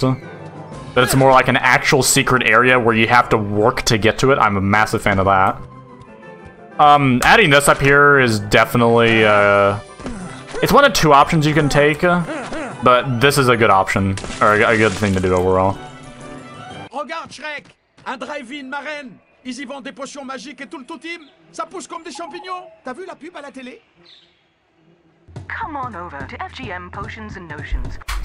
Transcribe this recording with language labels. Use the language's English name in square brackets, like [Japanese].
[English] That it's more like an actual secret area where you have to work to get to it. I'm a massive fan of that. Adding this up here is definitely, it's one of two options you can take, but this is a good option, or a good thing to do overall. [French] Regarde, Shrek! Un drive-in, marraine! Ils y vendent des potions magiques et tout le tout-team! Ça pousse comme des champignons! T'as vu la pub à la télé? [English] Come on over to FGM Potions and Notions.